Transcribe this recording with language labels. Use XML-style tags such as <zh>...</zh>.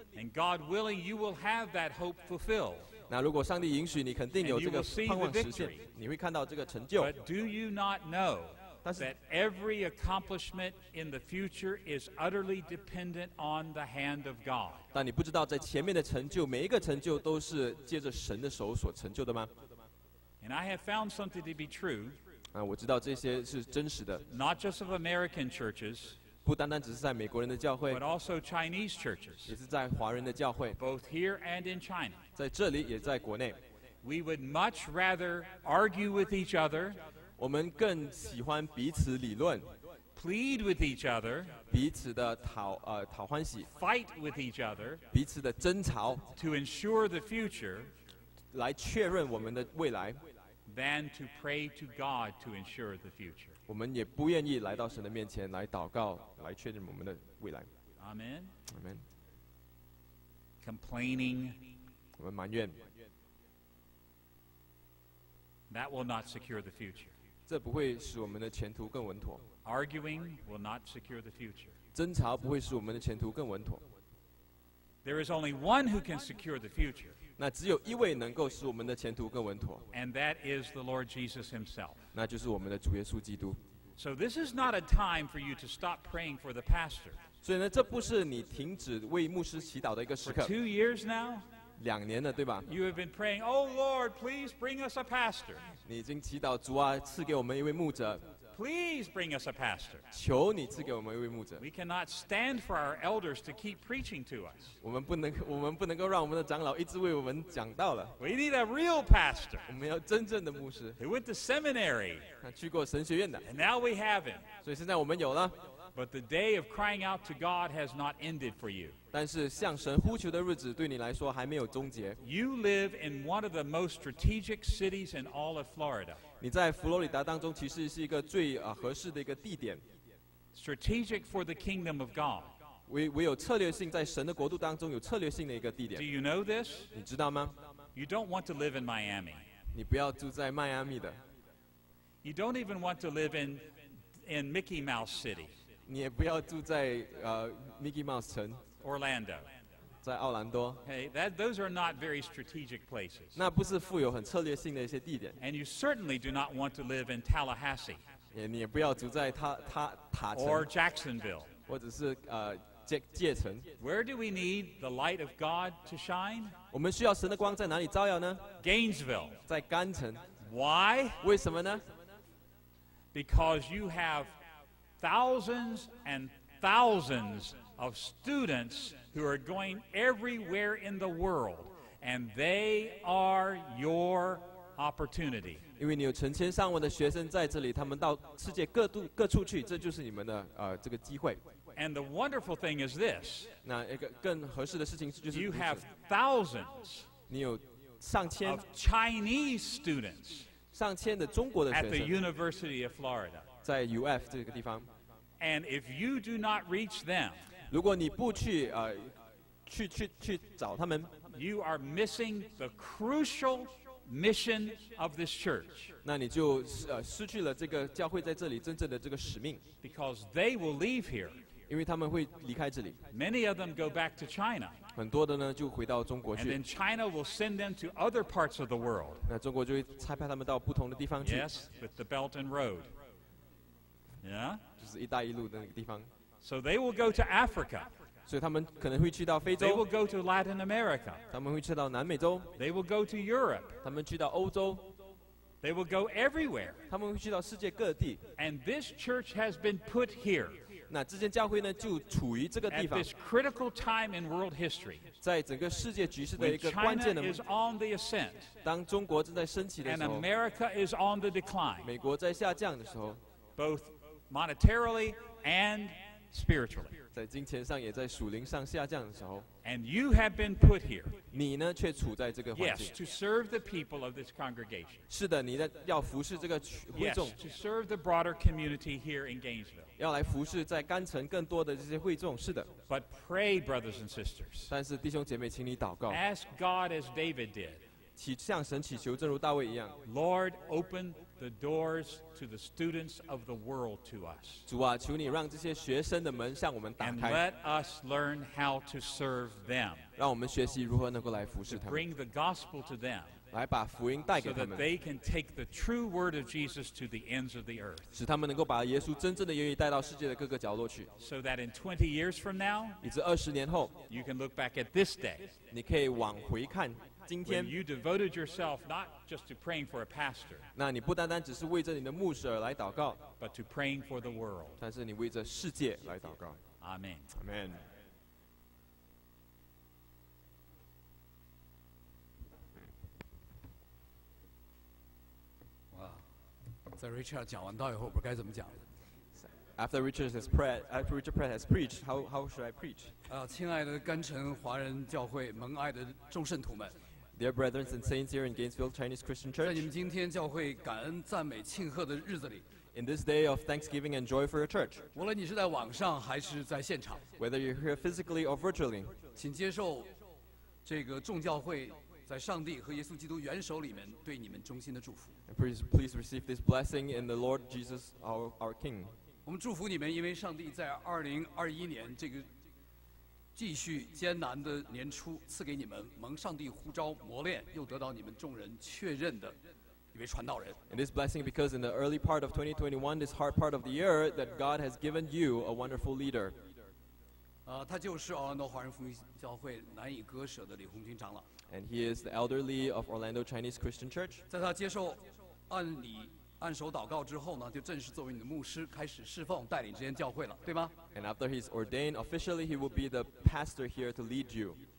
<en>And God willing, you will have that hope fulfilled.</en> <zh>那如果上帝允许，你肯定有这个盼望实现。你会看到这个成就。</zh> <en>But do you not know that every accomplishment in the future is utterly dependent on the hand of God?</en> <zh>但你不知道，在前面的成就，每一个成就都是借着神的手所成就的吗？</zh> <en>And I have found something to be true.</en> <zh>啊，我知道这些是真实的。</zh> <en>Not just of American churches.</en> <zh>不单单只是在美国人的教会。</zh> <en>But also Chinese churches.</en> <zh>也是在华人的教会。</zh> <en>Both here and in China.</en> <zh>在这里也在国内。</zh> <en>We would much rather argue with each other.</en> <zh>我们更喜欢彼此理论。</zh> <en>Plead with each other.</en> <zh>彼此的讨欢喜。</zh> <en>Fight with each other.</en> <zh>彼此的争吵。</zh> <en>To ensure the future.</en> <zh>来确认我们的未来。</zh> <en>Than to pray to God to ensure the future.</en> <zh>我们也不愿意来到神的面前来祷告，来确认我们的未来。</zh> <en>Amen. Amen. Complaining.</en> <zh>我们埋怨。</zh> <en>That will not secure the future.</en> <zh>这不会使我们的前途更稳妥。</zh> <en>Arguing will not secure the future.</en> <zh>争吵不会使我们的前途更稳妥。</zh> <en>There is only one who can secure the future.</en> <zh>那只有一位能够使我们的前途更稳妥。</zh> <en>And that is the Lord Jesus himself.</en> <zh>那就是我们的主耶稣基督。</zh> <en>So this is not a time for you to stop praying for the pastor.</en> <zh>所以呢，这不是你停止为牧师祈祷的一个时刻。</zh> <en>For 2 years now,</en> <zh>两年了，对吧？</zh> <en>You have been praying, Oh Lord, please bring us a pastor.</en> <zh>你已经祈祷主啊，赐给我们一位牧者。</zh> <en>Please bring us a pastor.</en> <zh>求你赐给我们一位牧者。</zh> <en>We cannot stand for our elders to keep preaching to us.</en> <zh>我们不能够让我们的长老一直为我们讲道了。</zh> <en>We need a real pastor.</en> <zh>我们要真正的牧师。</zh> <en>He went to seminary.</en> <zh>他去过神学院的。</zh> <en>And now we have him.</en> <zh>所以现在我们有了。</zh> <en>But the day of crying out to God has not ended for you.</en> <zh>但是向神呼求的日子对你来说还没有终结。</zh> <en>You live in one of the most strategic cities in all of Florida.</en> <zh>你在佛罗里达当中其实是一个最合适的一个地点。</zh> <en>Strategic for the kingdom of God.</en> <zh>唯有策略性在神的国度当中有策略性的一个地点。</zh> <en>Do you know this?</en> <zh>你知道吗</zh> <en>？You don't want to live in Miami.</en> <zh>你不要住在迈阿密的。</zh> <en>You don't even want to live in Mickey Mouse City.</en> <zh>你也不要住在Mickey Mouse 城</zh> <en>Orlando</en> <zh>在奥兰多</zh> <en>hey, that, those are not very strategic places.</en> <zh>那不是富有很策略性的一些地点</zh> <en>and you certainly do not want to live in Tallahassee</en> <zh>也你也不要住在塔城</zh> <en>or Jacksonville</en> <zh>或者是戒城</zh> <en>where do we need the light of God to shine?</en> <zh>我们需要神的光在哪里照耀呢</zh> <en>Gainesville</en> <zh>在甘城</zh> <en>why?</en> <zh>为什么呢</zh> <en>because you haveThousands and thousands of students who are going everywhere in the world, and they are your opportunity.</en> <zh>因为你有成千上万的学生在这里，他们到世界各处去，这就是你们的这个机会。</zh> <en>And the wonderful thing is this.</en> <zh>那一个更合适的事情就是</zh> <en>you have thousands.</en> <zh>你有上千</zh> <en>of Chinese students.</en> <zh>上千的中国的学生</zh> <en>at the University of Florida.</en> <zh>在 UF 这个地方。</zh> <en>And if you do not reach them,</en> <zh>如果你不去去找他们。</zh> <en>You are missing the crucial mission of this church.</en> <zh>那你就失去了这个教会在这里真正的这个使命。</zh> <en>Because they will leave here.</en> <zh>因为他们会离开这里。</zh> <en>Many of them go back to China.</en> <zh>很多的呢就回到中国去。</zh> <en>And then China will send them to other parts of the world.</en> <zh>那中国就会差派他们到不同的地方去。</zh> <en>Yes, with the Belt and Road. Yeah.</en> <zh>就是一带一路的那个地方。</zh> <en>So they will go to Africa.</en> <zh>所以他们可能会去到非洲。</zh> <en>They will go to Latin America.</en> <zh>他们会去到南美洲。</zh> <en>They will go to Europe.</en> <zh>他们去到欧洲。</zh> <en>They will go everywhere.</en> <zh>他们会去到世界各地。</zh> <en>And this church has been put here.</en> <zh>那这间教会呢，就处于这个地方。</zh> <en>At this critical time in world history.</en> <zh>在整个世界局势的一个关键的。</zh> <en>When China is on the ascent.</en> <zh>当中国正在升起的时候。</zh> <en>And America is on the decline.</en> <zh>美国在下降的时候。</zh> <en>Both monetarily and spiritually.</en> <zh>在金钱上也在属灵上下降的时候,</zh> <en>and you have been put here.</en> <zh>你呢却处在这个环境,</zh> <en>yes, to serve the people of this congregation.</en> <zh>是的,你要服侍这个会众,</zh> <en>yes, to serve the broader community here in Gainesville.</en> <zh>要来服侍在甘城更多的这些会众,</zh> <en>but pray, brothers and sisters.</en> <zh>但是弟兄姐妹请你祷告,</zh> <en>ask God as David did.</en> <zh>向神祈求正如大卫一样,</zh> <en>Lord, open the doors to the students of the world to us.</en> <zh>主啊, 求你让这些学生的门向我们打开,</zh> <en>and let us learn how to serve them.</en> <zh>让我们学习如何能够来服侍他们,</zh> <en>to bring the gospel to them.</en> <zh>来把福音带给他们,</zh> <en>so that they can take the true word of Jesus to the ends of the earth.</en> <zh>使他们能够把耶稣真正的言语带到世界的各个角落去,</zh> <en>so that in 20 years from now,</en> <zh>以至20年后,</zh> <en>you can look back at this day.</en> <zh>你可以往回看,</zh> <en>when you devoted yourself not just to praying for a pastor,</en> <zh>那你不单单只是为着你的牧师而来祷告,</zh> <en>but to praying for the world.</en> <zh>但是你为着世界来祷告。</zh> <en>Amen. Amen.</en> <zh>Wow. 在Richard讲完道以后，我不知道该怎么讲。</zh> <en>After Richard has prayed, after Richard Pratt has preached, how should I preach?</en> <zh>亲爱的甘城华人教会蒙爱的众圣徒们。</zh> <en>Dear brothers and saints here in Gainesville Chinese Christian Church,</en> <zh>在你们今天教会感恩赞美庆贺的日子里,</zh> <en>in this day of thanksgiving and joy for your church,</en> <zh>无论你是在网上还是在现场,</zh> <en>whether you're here physically or virtually,</en> <zh>请接受这个众教会在上帝和耶稣基督元首里面对你们衷心的祝福,</zh> <en>and please receive this blessing in the Lord Jesus our King.</en> <zh>我们祝福你们因为上帝在2021年这个 继续艰难的年初赐给你们蒙上帝呼召磨练又得到你们众人确认的一位传道人。</zh> <en>And this blessing because in the early part of 2021, this hard part of the year, that God has given you a wonderful leader.</en> <zh>他就是 Orlando 华人福音教会难以割舍的李红军长老。</zh> <en>And he is the elderly of Orlando Chinese Christian Church.</en> <zh>按手祷告之后呢，就正式作为你的牧师，开始侍奉带领这间教会了，对吗？</zh> <en>And after he's ordained officially, he will be the pastor here to lead you.</en>